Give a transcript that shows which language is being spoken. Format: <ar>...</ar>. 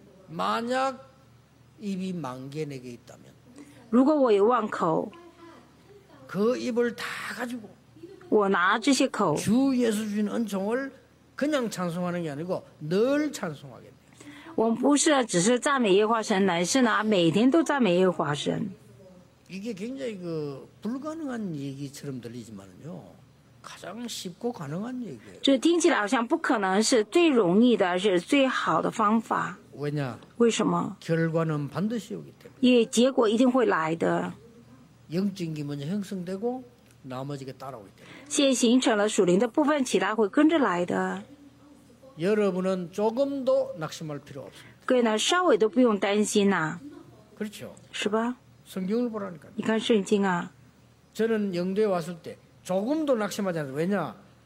<ko>만약 입이 만 개 내게 있다면,</ko> <zh>如果我有万口,</zh> <ko>그 입을 다 가지고,</ko> <zh>我拿这些口,</zh> <ko>주 예수 주신 은총을 그냥 찬송하는 게 아니고 늘 찬송하겠네.</ko> <zh>我们不是只是赞美耶和华神，乃是呢每天都赞美耶和华神。</zh> <ko>이게 굉장히 그 불가능한 얘기처럼 들리지만요, 가장 쉽고 가능한 얘기예요.</ko> <zh>这听起来好像不可能，是最容易的，是最好的方法。</zh> <ko>왜냐?</ko> <zh>为什么?</zh> <ko>결과는 반드시 오기 때문에.</ko> <zh>예,结果一定会来的。</zh> <ko>영적인 문제 형성되고. 나머지가 따라오기 때문에.</ko> <zh>先形成了属灵的部分，其他会跟着来的。</zh> <ko>여러분은 조금도 낙심할 필요 없습니다.</ko> <zh>各位呢，稍微都不用担心呐。</zh> <ko>그렇죠.</ko> <zh>是吧?</zh> <ko>성경을 보라니까.</ko> <zh>你看圣经啊。</zh> <ko>저는 영도에 왔을 때 조금도 낙심하지 않습니다. 왜냐?</ko>